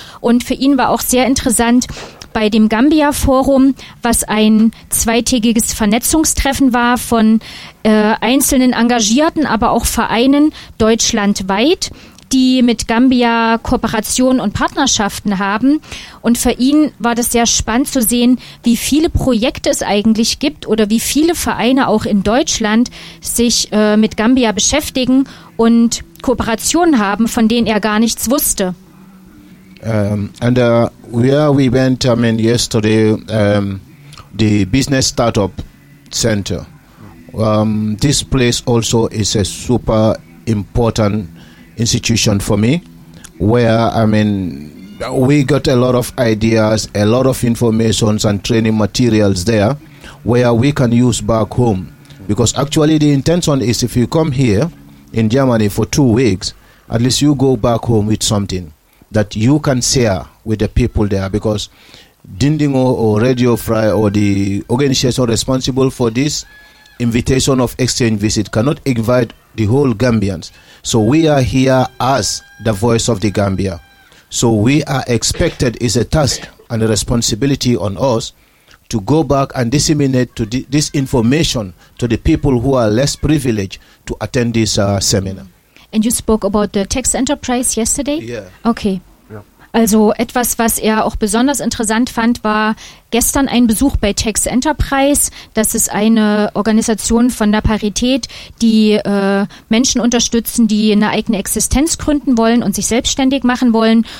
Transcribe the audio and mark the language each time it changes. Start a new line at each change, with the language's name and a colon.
German: Und für ihn war auch sehr interessant bei dem Gambia Forum, was ein zweitägiges Vernetzungstreffen war von einzelnen Engagierten, aber auch Vereinen deutschlandweit, die mit Gambia Kooperationen und Partnerschaften haben. Und für ihn war das sehr spannend zu sehen, wie viele Projekte es eigentlich gibt oder wie viele Vereine auch in Deutschland sich mit Gambia beschäftigen und Kooperationen haben, von denen er gar nichts wusste.
English: And where we went, I mean, yesterday, the Business Startup Center. This place also is a super important institution for me, where I mean we got a lot of ideas, a lot of informations and training materials there where we can use back home, because actually the intention is if you come here in Germany for 2 weeks, at least you go back home with something that you can share with the people there, because Dindingo or Radio Fry or the organization responsible for this invitation of exchange visit cannot invite the whole Gambians. So we are here as the voice of the Gambia. So we are expected, is a task and a responsibility on us to go back and disseminate to this information to the people who are less privileged to attend this seminar. And you spoke about the tax enterprise yesterday? Yeah. Okay. Yeah.
German: Also etwas, was er auch besonders interessant fand, war gestern ein Besuch bei Tax Enterprise. Das ist eine Organisation von der Parität, die Menschen unterstützen, die eine eigene Existenz gründen wollen und sich selbstständig machen wollen.